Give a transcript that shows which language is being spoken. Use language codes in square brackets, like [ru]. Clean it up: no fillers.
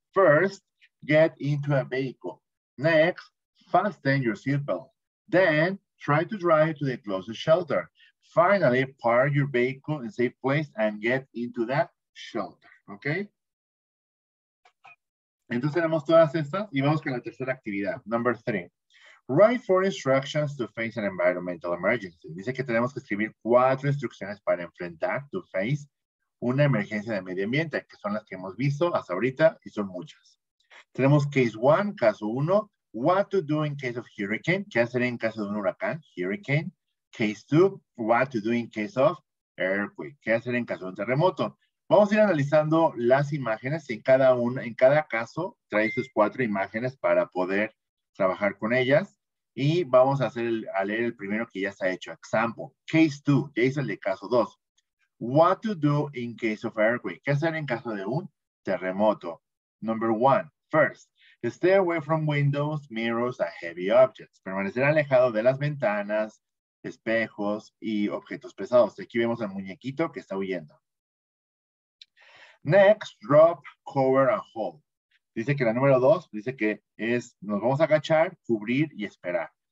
[en] First, get into a vehicle. Next, fasten your seatbelt. Then, try to drive to the closest shelter. Finally, park your vehicle in a safe place and get into that shelter. ¿Ok? [es] Entonces, tenemos todas estas y vamos con la tercera actividad. [en] Number three. Write four instructions to face an environmental emergency. [es] Dice que tenemos que escribir cuatro instrucciones para enfrentar, to face, una emergencia de medio ambiente, que son las que hemos visto hasta ahorita y son muchas. Tenemos [en] case one, [es] caso uno. [en] What to do in case of hurricane? [es] ¿Qué hacer en caso de un huracán? Hurricane. [en] Case two, what to do in case of earthquake? [es] ¿Qué hacer en caso de un terremoto? Vamos a ir analizando las imágenes en cada una, en cada caso, trae sus cuatro imágenes para poder trabajar con ellas. Y vamos a hacer a leer el primero que ya está hecho. Example. Case two, ya hice el de caso dos. [en] What to do in case of earthquake? [es] ¿Qué hacer en caso de un terremoto? [en] Number one, first. Stay away from windows, mirrors, and heavy objects. [es] Permanecer alejado de las ventanas, espejos y objetos pesados. Aquí vemos al muñequito que está huyendo. [en] Next, drop, cover, and hold. [es] Dice que la número dos, dice que es, nos vamos a agachar, cubrir y esperar.